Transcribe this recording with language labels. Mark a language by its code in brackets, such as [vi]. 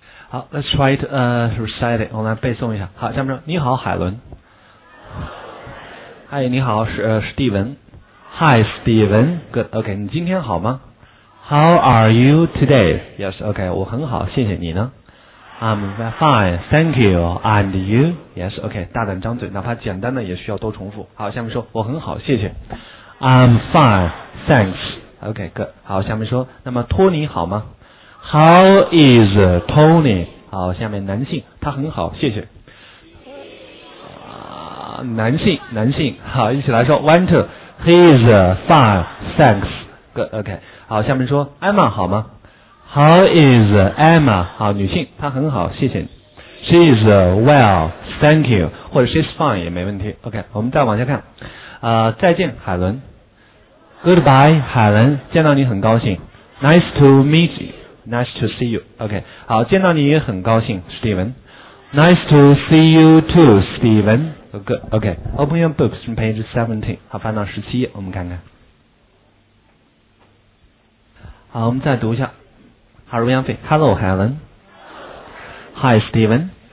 [en] Let's try to recite it. [zh] 我来背诵一下。好，下面说，你好，海伦。嗨，你好，是Steven。 [en] Hi, Steven. Good. OK, [zh] 你今天好吗 [en] ？How are you today? Yes. OK, [zh] 我很好，谢谢你呢。 [en] I'm fine, thank you, and you? Yes, OK, [zh] 大胆张嘴，哪怕简单的也需要多重复。好，下面说，我很好，谢谢。 [en] I'm fine, thanks. OK, good. [zh] 好，下面说，那么托尼好吗 [en] ？How is Tony? [zh] 好，下面男性，他很好，谢谢。男性，好，一起来说 ，Winter, [en] he is fine, thanks. Good, OK. [zh] 好，下面说 ，Emma 好吗？ [en] How is Emma? [zh] 好，女性，她很好，谢谢你。 [en] She is well, thank you. [zh] 或者 [en] she's fine [zh] 也没问题。 OK, 我们再往下看。再见，海伦。 [en] Goodbye, 海伦。 [zh] 见到你很高兴。 [en] Nice to meet you. Nice to see you. [zh] OK, 好，见到你也很高兴 ，Steven. [en] Nice to see you too, Steven. Good. OK, open your books from page 17. [zh] 好，翻到17页，我们看看。好，我们再读一下。 [en] Hello, Helen. Hi, Steven.